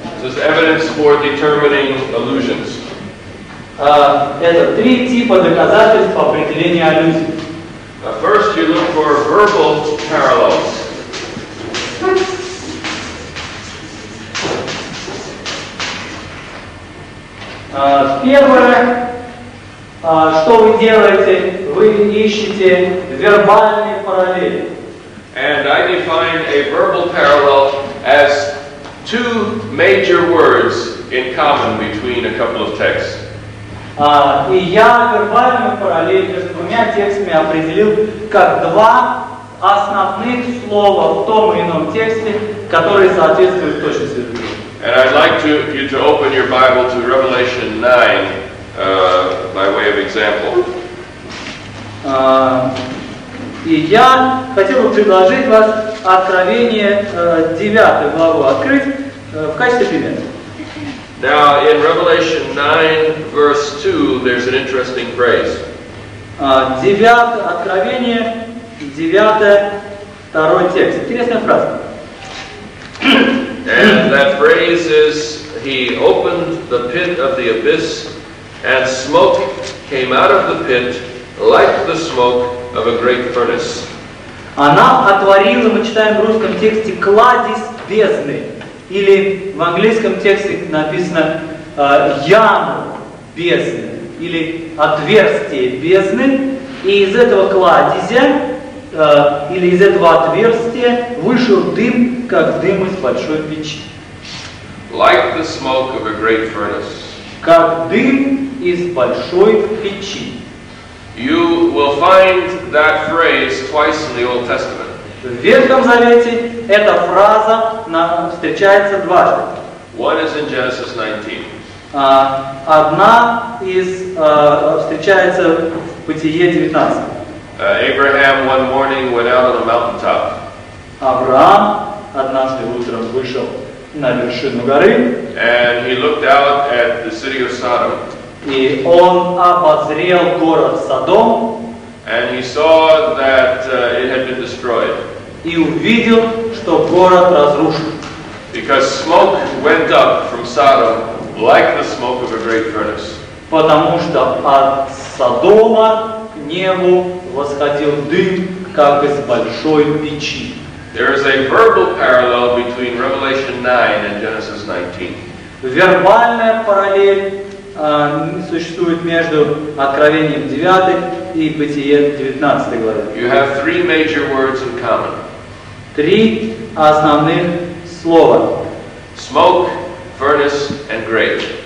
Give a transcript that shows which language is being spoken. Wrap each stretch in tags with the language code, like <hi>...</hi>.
<en>This is evidence for determining allusions.</en> <ru>Это три типа доказательств по определению аллюзий.</ru> <en>First, you look for verbal parallels.</en> <ru>Первое, что вы делаете, вы ищете вербальные параллели.</ru> <en>And I define a verbal parallel as two major words in common between a couple of texts.</en> <ru>И я вербальную параллель между двумя текстами определил как два основных слова в том или ином тексте, которые соответствуют точности.</ru> <en>And I'd like to, you to open your Bible to Revelation 9, by way of example.</en> <ru>И я хотел бы предложить вас Откровение 9 главу открыть в качестве примера.</ru> <en>Now, in Revelation 9, verse 2, there's an interesting phrase.</en> <ru>Откровение 9, второй текст. Интересная фраза.</ru> <en>And that phrase is, he opened the pit of the abyss, and smoke came out of the pit, like the smoke of a great furnace.</en> <ru>Она отворила, мы читаем в русском тексте, кладезь бездны. Или в английском тексте написано яму бездны. Или отверстие бездны. И из этого кладезя, или из этого отверстия, вышел дым, как дым из большой печи.</ru> <en>Like the smoke of a great furnace.</en> <ru>Как дым из большой печи.</ru> <en>You will find that phrase twice in the Old Testament.</en> <ru>В Ветхом Завете эта фраза встречается дважды.</ru> <en>One is in Genesis 19.</en> <ru>Одна из встречается в Бытие 19.</ru> <en>Abraham one morning went out on a mountaintop.</en> <ru>Авраам однажды утром вышел на вершину горы.</ru> <en>And he looked out at the city of Sodom.</en> <ru>И он обозрел город Содом.</ru> <en>And he saw that it had been destroyed.</en> <ru>И увидел, что город разрушен.</ru> <en>Because smoke went up from Sodom like the smoke of a great furnace.</en> <ru>Потому что от Содома к небу восходил дым, как из большой печи.</ru> <en>There is a verbal parallel between Revelation 9 and Genesis 19.</en> <ru>Вербальная параллель существует между Откровением 9 и Бытие 19 главе.</ru> <en>You have three major words in common.</en> <ru>Три основных слова.</ru> <en>Smoke, furnace, and grate.</en>